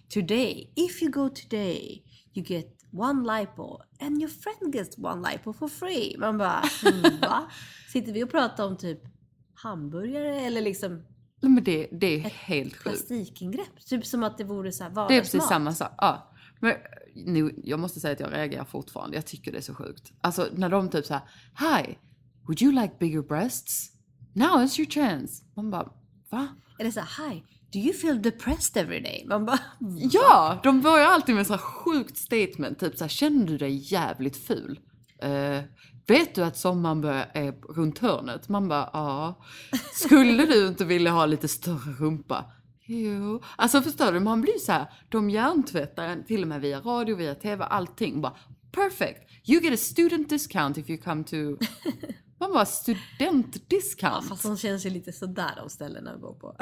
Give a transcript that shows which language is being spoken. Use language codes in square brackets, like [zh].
[en] Today, if you go today, you get one lipo and your friend gets one lipo for free. [sv] Man bara, va? Sitter vi och pratar om typ hamburgare eller liksom... Men det är helt sjukt. Plastikingrepp, typ som att det vore så här vardagsmat. Det är precis samma sak, ja. Men nu, jag måste säga att jag reagerar fortfarande. Jag tycker det är så sjukt. Alltså när de typ så här, [en] hi, would you like bigger breasts? Now is your chance. [sv] Man bara, va? Eller så här, [en] hi, do you feel depressed every day? [sv] Man bara, ja, de börjar alltid med så här sjukt statement. Typ så här, känner du dig jävligt ful? Vet du att sommaren börjar runt hörnet? Man bara, ja. Skulle du inte vilja ha lite större rumpa? Jo. Alltså förstår du, man blir så här, de hjärntvättar till och med via radio, via tv, allting. Bara, perfect. [en] You get a student discount if you come to... [sv] Man bara, studentdiscount. Fast hon känns ju lite sådär av ställena att gå på.